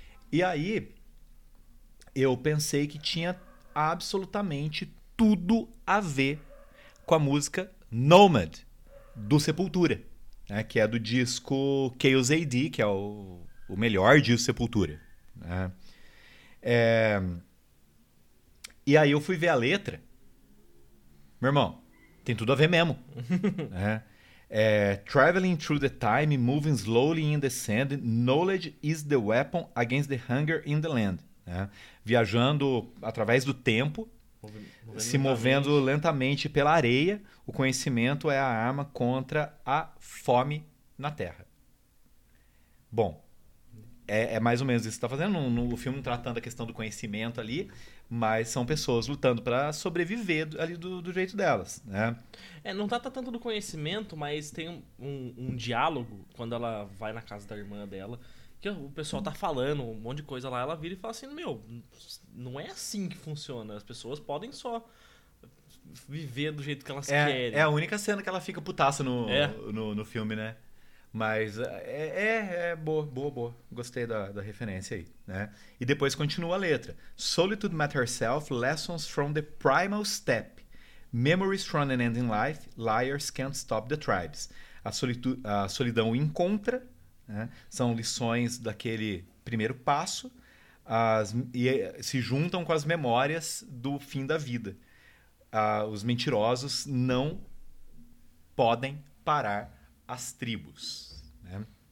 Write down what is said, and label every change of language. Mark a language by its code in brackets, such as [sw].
[pt] E aí, eu pensei que tinha absolutamente tudo a ver com a música Nomad, do Sepultura, né? Que é do disco Chaos AD, que é o melhor disco Sepultura, né? E aí eu fui ver a letra. Meu irmão, tem tudo a ver mesmo. Né? [en] É, traveling through the time, moving slowly in the sand, knowledge is the weapon against the hunger in the land. [pt] Né? Viajando através do tempo, movendo lentamente pela areia, o conhecimento é a arma contra a fome na terra. Bom, é mais ou menos isso que está fazendo. No, no filme tratando a questão do conhecimento ali, mas são pessoas lutando para sobreviver ali do jeito delas, né? É, não trata tanto do conhecimento, mas tem um diálogo quando ela vai na casa da irmã dela, que o pessoal tá falando um monte de coisa lá, ela vira e fala assim, meu, não é assim que funciona, as pessoas podem só viver do jeito que elas querem. É a única cena que ela fica putaça no filme, né? Mas é boa. Gostei da referência aí, né? E depois continua a letra. [en] Solitude met herself, lessons from the primal step. Memories from an ending life, liars can't stop the tribes. [pt] A solidão encontra, né? São lições daquele primeiro passo. E se juntam com as memórias do fim da vida. Os mentirosos não podem parar as tribos. Né?